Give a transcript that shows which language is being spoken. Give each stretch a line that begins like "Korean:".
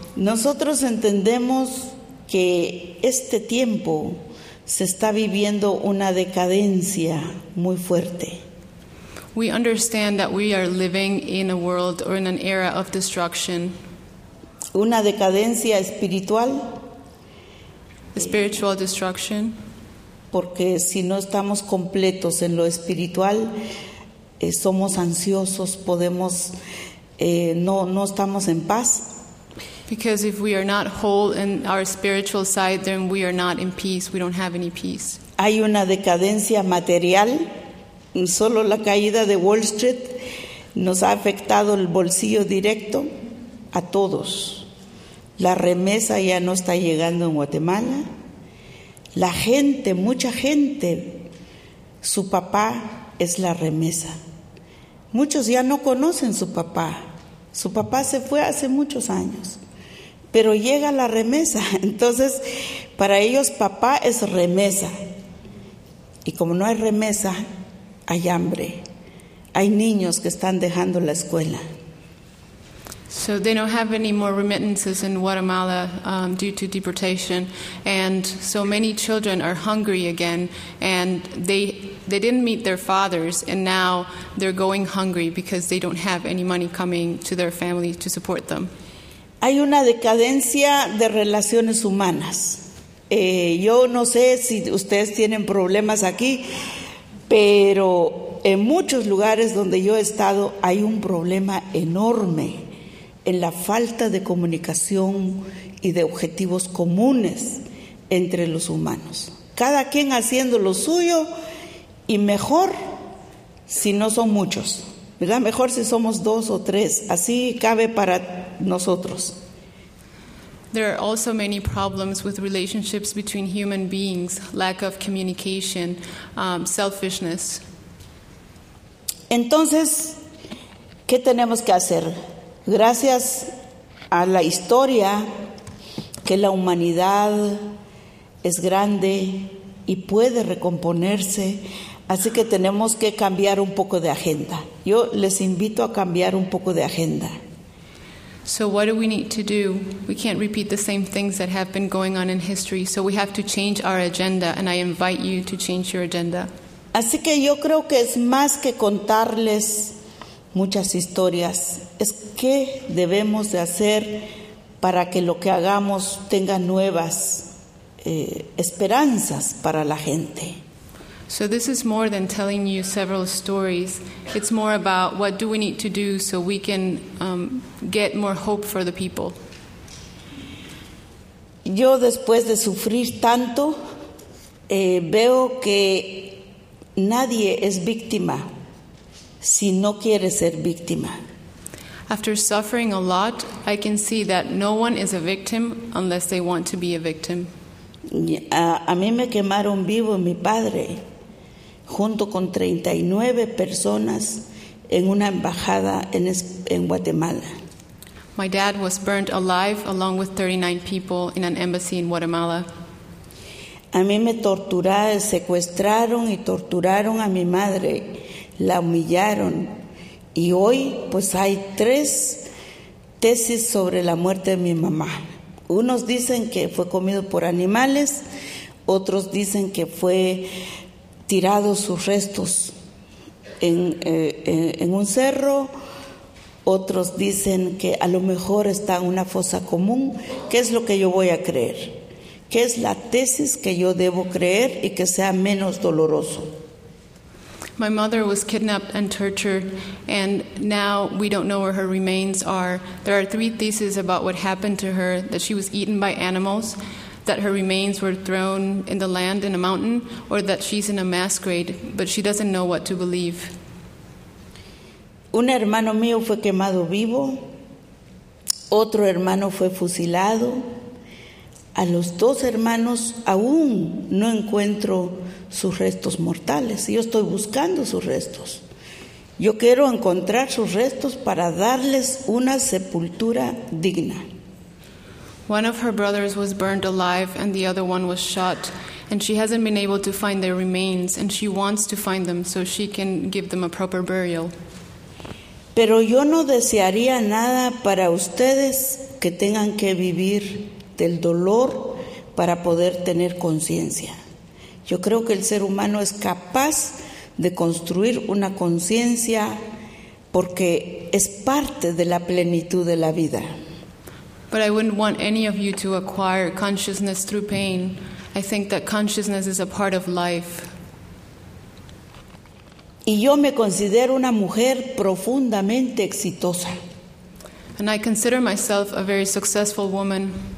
Spanish: Nosotros entendemos que este tiempo se está viviendo una decadencia muy fuerte.
English: We understand that we are living in a world or in an era of destruction.
Spanish: Una decadencia espiritual.
English: Spiritual destruction.
Spanish: Porque si no estamos completos en lo espiritual, somos ansiosos, podemos, no estamos en paz.
English: Because if we are not whole in our spiritual side, then we are not in peace, we don't have any peace.
Spanish: Hay una decadencia material. Solo la caída de Wall Street nos ha afectado el bolsillo directo a todos. La remesa ya no está llegando en Guatemala. La gente, mucha gente, su papá es la remesa. Muchos ya no conocen su papá. Su papá se fue hace muchos años, pero llega la remesa. Entonces, para ellos papá es remesa. Y como no hay remesa, hay hambre. Hay niños que están dejando la escuela.
English: So they don't have any more remittances in Guatemala due to deportation, and so many children are hungry again, and they didn't meet their fathers, and now they're going hungry because they don't have any money coming to their family to support them.
Spanish: Hay una decadencia de relaciones humanas. Yo no sé si ustedes tienen problemas aquí, pero en muchos lugares donde yo he estado hay un problema enorme en la falta de comunicación y de objetivos comunes entre los humanos. Cada quien haciendo lo suyo y mejor si no son muchos, ¿verdad? Mejor si somos dos o tres, así cabe para nosotros.
English: There are also many problems with relationships between human beings, lack of communication, selfishness.
Spanish: Entonces, ¿qué tenemos que hacer? Gracias a la historia, que la humanidad es grande y puede recomponerse, Así que tenemos que cambiar un poco de agenda. Yo les invito a cambiar un poco de agenda.
English: So what do we need to do? We can't repeat the same things that have been going on in history. So we have to change our agenda, and I invite you to change your agenda.
Spanish: Así que yo creo que es más que contarles muchas historias. Es qué debemos de hacer para que lo que hagamos tenga nuevas esperanzas para la gente.
English: So this is more than telling you several stories. It's more about what do we need to do so we can get more hope for the people.
Spanish: Yo después de sufrir tanto, veo que nadie es víctima si no quiere ser víctima.
English: After suffering a lot, I can see that no one is a victim unless they want to be a victim.
Spanish: A mí me quemaron vivo mi padre, junto con 39 personas en una embajada en Guatemala.
English: My dad was burned alive along with 39 people in an embassy in Guatemala.
Spanish: A mí me torturaron, secuestraron y torturaron a mi madre, la humillaron. Y hoy, pues hay 3 tesis sobre la muerte de mi mamá. Unos dicen que fue comido por animales, otros dicen que fue tirado sus restos en un cerro, otros dicen que a lo mejor está en una fosa común. ¿Qué es lo que yo voy a creer? ¿Qué es la tesis que yo debo creer y que sea menos doloroso?
English: My mother was kidnapped and tortured, and now we don't know where her remains are. There are 3 theses about what happened to her: that she was eaten by animals, that her remains were thrown in the land in a mountain, or that she's in a mass grave, but she doesn't know what to believe.
Spanish: Un hermano mío fue quemado vivo. Otro hermano fue fusilado. A los 2 hermanos aún no encuentro sus restos mortales. Yo estoy buscando sus restos. Yo quiero encontrar sus restos para darles una sepultura digna.
English: One of her brothers was burned alive and the other one was shot, and she hasn't been able to find their remains, and she wants to find them so she can give them a proper burial.
Spanish: Pero yo no desearía nada para ustedes que tengan que vivir del dolor para poder tener conciencia. Yo creo que el ser humano es capaz de construir una conciencia porque es parte de la plenitud de la vida.
English: But I wouldn't want any of you to acquire consciousness through pain. I think that consciousness is a part of life.
Spanish: Y yo me considero una mujer profundamente exitosa.
English: And I consider myself a very successful woman.